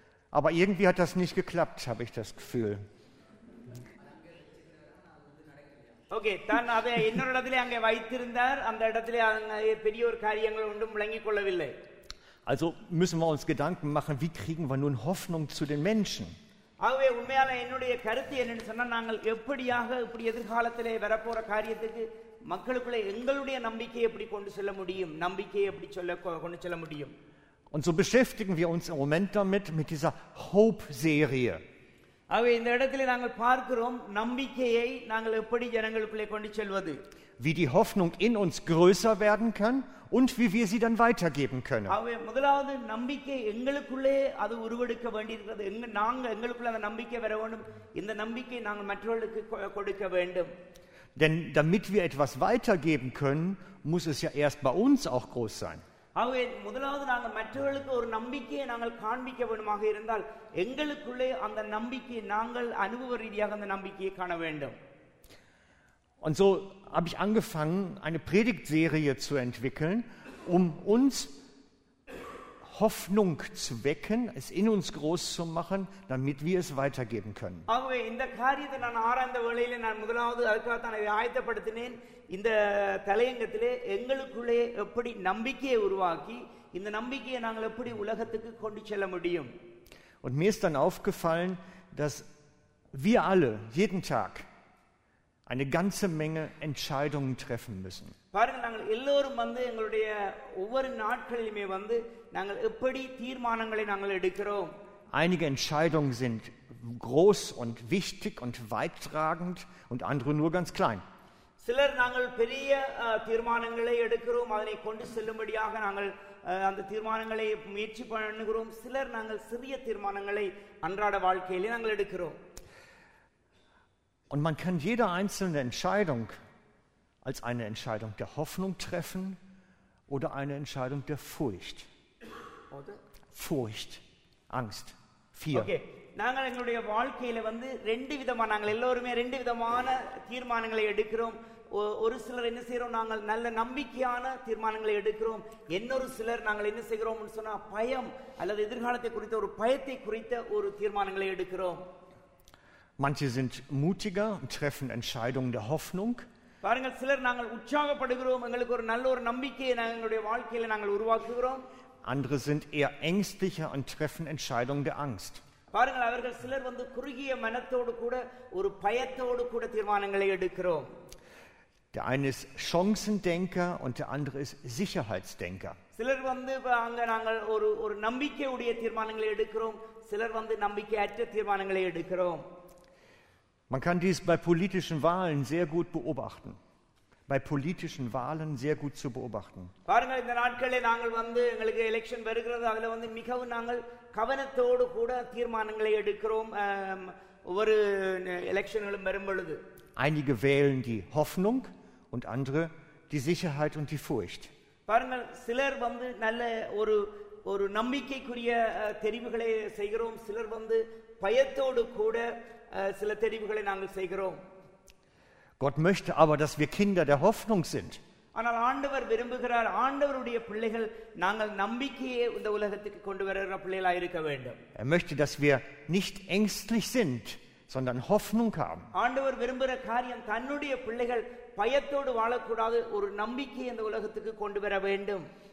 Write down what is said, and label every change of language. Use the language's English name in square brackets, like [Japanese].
[German] Aber irgendwie hat das nicht geklappt, habe ich das Gefühl. [Tamil] Okay, தான் அதை இன்னொரு இடத்துல அங்கே வைத்திருந்தார், அந்த இடத்துல பெரிய ஒரு காரியங்கள் ஒன்றும் விளங்கிக் கொள்ளவில்லை. [German] Also müssen wir uns Gedanken machen, wie kriegen wir nun Hoffnung zu den Menschen? [Tamil] ஆகவே உண்மையான என்னுடைய கருத்து என்னன்னு சொன்னா, நாங்கள் எப்படியாக இப்படி எதிர்காலத்திலே வரப்போற காரியத்துக்கு மக்களுக்குள்ள எங்களுடைய நம்பிக்கையை எப்படி கொண்டு செல்ல முடியும், நம்பிக்கையை எப்படி கொண்டு செல்ல முடியும். [German] Und so beschäftigen wir uns im Moment damit, mit dieser Hope-Serie. [Tamil] ஆகவே இந்த இடத்துல நாங்கள் பார்க்கிறோம் நம்பிக்கையை நாங்கள் எப்படி ஜனங்களுக்குள்ளே கொண்டு செல்வது. [German] Wie die Hoffnung in uns größer werden kann und wie wir sie dann weitergeben können. [Tamil] ஆகவே முதலாவது நம்பிக்கை எங்களுக்குள்ளே அது உருவெடுக்க வேண்டியிருக்கிறது. நாங்கள் எங்களுக்குள்ள அந்த நம்பிக்கை வர வேண்டும். இந்த நம்பிக்கை நாங்கள் மற்றவர்களுக்கு கொடுக்க வேண்டும். [German] Denn damit wir etwas weitergeben können, muss es ja erst bei uns auch groß sein. [Tamil] ஆகவே முதலாவது நாங்கள் மற்றவர்களுக்கு ஒரு நம்பிக்கையை நாங்கள் காண்பிக்க வேண்டுமாக இருந்தால் எங்களுக்குள்ளே அந்த நம்பிக்கையை நாங்கள் அனுபவ ரீதியாக அந்த நம்பிக்கையை காண வேண்டும். [German] Und so habe ich angefangen, eine Predigtserie zu entwickeln, um uns Hoffnung zu wecken, es in uns groß zu machen, damit wir es weitergeben können. [Tamil] ஆகவே இந்த காரியத்தை நான் ஆரம்பித்த வேளையிலே நான் முதலாவது அதுக்காக தான் இதை ஆயத்தப்படுத்தினேன். இந்த தலையங்கத்திலே எங்களுக்குள்ளே எப்படி நம்பிக்கையை உருவாக்கி இந்த நம்பிக்கையை நாங்கள் எப்படி உலகத்துக்கு கொண்டு செல்ல முடியும். [German] Und mir ist dann aufgefallen, dass wir alle jeden Tag eine ganze Menge Entscheidungen treffen müssen. [Tamil] பாருங்க, நாங்கள் எல்லோரும் வந்து எங்களுடைய ஒவ்வொரு நாட்களிலுமே வந்து நாங்கள் எப்படி தீர்மானங்களை நாங்கள் எடுக்கிறோம். [German] Einige Entscheidungen sind groß und wichtig und weittragend und andere nur ganz klein. [Tamil] சிலர் நாங்கள் பெரிய தீர்மானங்களை எடுக்கிறோம், அதனை கொண்டு செல்லும்படியாக நாங்கள் அந்த தீர்மானங்களை முயற்சி பண்ணுகிறோம். சிலர் நாங்கள் சிறிய தீர்மானங்களை அன்றாட வாழ்க்கையிலே நாங்கள் எடுக்கிறோம். [German] Und man kann jede einzelne Entscheidung als eine Entscheidung der Hoffnung treffen oder eine Entscheidung der Furcht. Oder? Furcht, Angst, Fear. Okay. [Tamil] நாங்கள் எங்களுடைய வாழ்க்கையில வந்து ரெண்டு விதமான, நாங்கள் எல்லோருமே ரெண்டு விதமான தீர்மானங்களை எடுக்கிறோம். ஒரு சிலர் என்ன செய்யறோம், நாங்கள் நல்ல நம்பிக்கையான தீர்மானங்களை எடுக்கிறோம். இன்னொரு சிலர் நாங்கள் என்ன செய்கிறோம் சொன்னா, பயம் அல்லது எதிர்காலத்தை குறித்த ஒரு பயத்தை குறித்த ஒரு தீர்மானங்களை எடுக்கிறோம். [German] Manche sind mutiger und treffen Entscheidungen der Hoffnung. [Tamil] பாருங்கள், சிலர் நாங்கள் உற்சாகப்படுகிறோம், எங்களுக்கு ஒரு நல்ல ஒரு நம்பிக்கையை எங்களுடைய வாழ்க்கையில நாங்கள் உருவாக்குகிறோம். [German] Andere sind eher ängstlicher und treffen Entscheidungen der Angst. [Tamil] பாருங்கள், அவர்கள் சிலர் வந்து குறுகிய மனத்தோடு கூட ஒரு பயத்தோடு கூட தீர்மானங்களை எடுக்கிறோம். [German] Der eine ist Chancendenker und der andere ist Sicherheitsdenker. [Tamil] சிலர் வந்து அங்க நாங்கள் ஒரு ஒரு நம்பிக்கையுடைய தீர்மானங்களை எடுக்கிறோம், சிலர் வந்து நம்பிக்கையற்ற தீர்மானங்களை எடுக்கிறோம். [German] Man kann dies bei politischen Wahlen sehr gut beobachten. Bei politischen Wahlen sehr gut zu beobachten. [Tamil] பாருங்கள், இந்த நாட்களில் நாங்கள் வந்து எங்களுக்கு எலெக்ஷன் வருகிறது, அதுல வந்து மிகவும் நாங்கள் கவனத்தோடு கூட தீர்மானங்களை எடுக்கிறோம். ஒவ்வொரு எலெக்ஷன்களும் வரும்பொழுது [German] Einige wählen die Hoffnung und andere die Sicherheit und die Furcht. [Tamil] பாருங்கள், சிலர் வந்து நல்ல ஒரு ஒரு நம்பிக்கைக்குரிய தெரிவுகளை செய்கிறோம், சிலர் வந்து பயத்தோடு கூட சில தெரிவுகளை நாங்கள் செய்கிறோம். [German] Gott möchte aber, dass wir Kinder der Hoffnung sind. [Tamil] ஆனால் ஆண்டவர் விரும்புகிறார், ஆண்டவருடைய பிள்ளைகள் நாங்கள் நம்பிக்கையை இந்த உலகத்துக்கு கொண்டு வர பிள்ளைகளாக இருக்க வேண்டும். [German] Er möchte, dass wir nicht ängstlich sind, sondern Hoffnung haben. [Tamil] ஆண்டவர் விரும்புகிற காரியம் தன்னுடைய பிள்ளைகள் பயத்தோடு வாழக்கூடாது, ஒரு நம்பிக்கையை இந்த உலகத்துக்கு கொண்டு வர வேண்டும்.